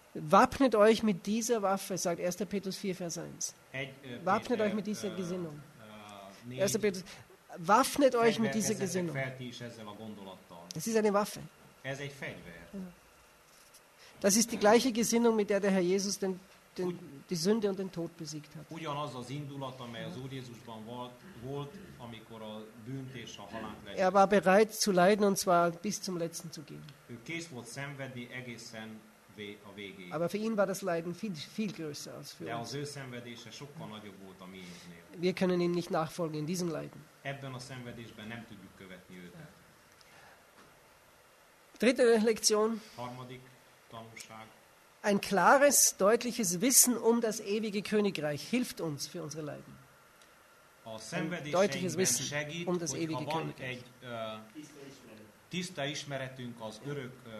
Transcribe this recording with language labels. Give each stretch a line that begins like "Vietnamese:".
German: Wappnet euch mit dieser Waffe, sagt 1. Petrus 4, Vers 1. Wappnet euch mit dieser Gesinnung. 1. Petrus, wappnet euch mit dieser Gesinnung.
Hungarian: Ezzel a gondolattal.
German: Es ist eine Waffe.
Hungarian: Ez egy fegyver.
German: Das ist die gleiche Gesinnung, mit der Herr Jesus die Sünde und den Tod besiegt hat.
Hungarian: Ugyanaz az indulat, amely az Úr Jézusban volt, amikor a bűnt és a halált legyen.
German: Er war bereit zu leiden, und zwar bis zum Letzten zu gehen.
Hungarian: Ő kész volt szenvedni egészen a végéig.
German: Aber für ihn war das Leiden viel, viel größer als für
Hungarian: De
German: uns.
Hungarian: De az ő szenvedése sokkal nagyobb volt a miénknél.
German: Wir können ihm nicht nachfolgen in diesem Leiden.
Hungarian: Ebben a szenvedésben nem tudjuk követni őt.
German: Dritte Lektion.
Hungarian: Harmadik tanulság.
German: Ein klares, deutliches Wissen um das ewige Königreich hilft uns für unsere Leiden. Ein deutliches Wissen
Hungarian: segít,
German: um das ewige Königreich.
Hungarian: Egy, tiszta ismeretünk az örök,